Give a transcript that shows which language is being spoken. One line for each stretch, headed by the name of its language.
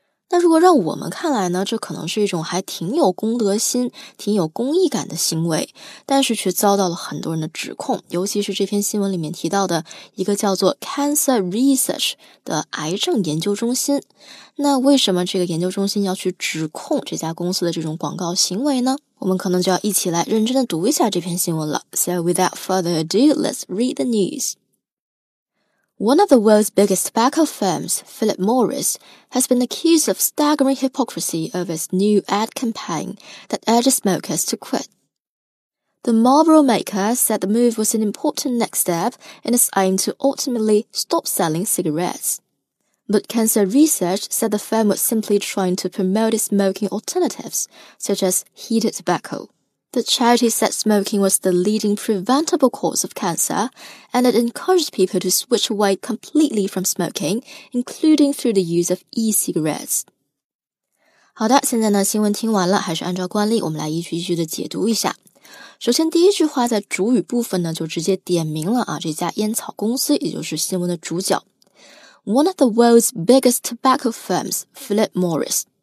Chinese: 那如果让我们看来呢，这可能是一种还挺有公德心、挺有公益感的行为，但是却遭到了很多人的指控，尤其是这篇新闻里面提到的一个叫做 Cancer Research 的癌症研究中心。那为什么这个研究中心要去指控这家公司的这种广告行为呢？我们可能就要一起来认真的读一下这篇新闻了。
English: So without further ado, let's read the news. One of the world's biggest tobacco firms, Philip Morris, has been accused of staggering hypocrisy over its new ad campaign that urges smokers to quit. The Marlboro maker said the move was an important next step in its aim to ultimately stop selling cigarettes. But Cancer Research said the firm was simply trying to promote its smoking alternatives, such as heated tobacco. The charity said smoking was the leading preventable cause of cancer, and it encouraged people to switch away completely from smoking, including through the use of e-cigarettes.
Chinese: 好的，现在呢，新闻听完了，还是按照惯例，我们来一句一句的解读一下。首先，第一句话在主语部分呢，就直接点名了啊，这家烟草公司，也就是新闻的主角。
English: One of the world's biggest tobacco firms, Philip Morris.